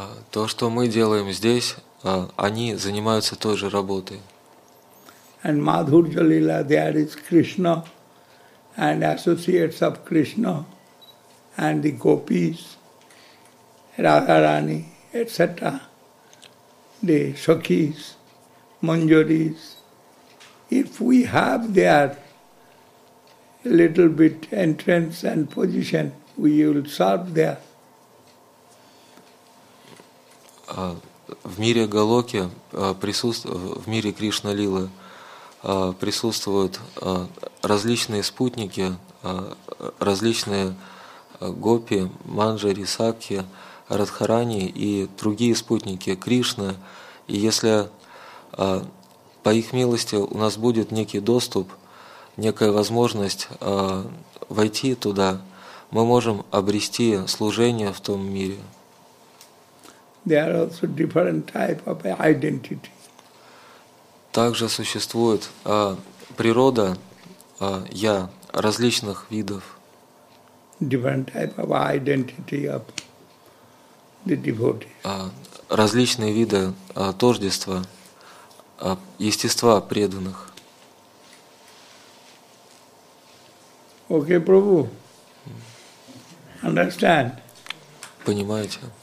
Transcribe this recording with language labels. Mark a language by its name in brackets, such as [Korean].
[Russian] То, что мы делаем здесь, они занимаются той же работой. [English] And Madhurya Lila, there is Krishna and associates of Krishna and the gopis, Radharani, etc. The Sakhis, Manjaris. If we have their little bit entrance and position, we will serve there. [Russian] В мире Галоки в мире Кришна Лилы присутствуют различные спутники, различные гопи, манджари, сакхи, радхарани и другие спутники Кришны. И если по их милости у нас будет некий доступ, некая возможность войти туда, мы можем обрести служение в том мире. [English] There are also different type of identity. [Russian] Также существует природа я различных видов. [English] Different type of identity of the devotee. [Russian] Различные виды тождества естества преданных. [English] Okay, Prabhu. Understand? [Russian] Понимаете?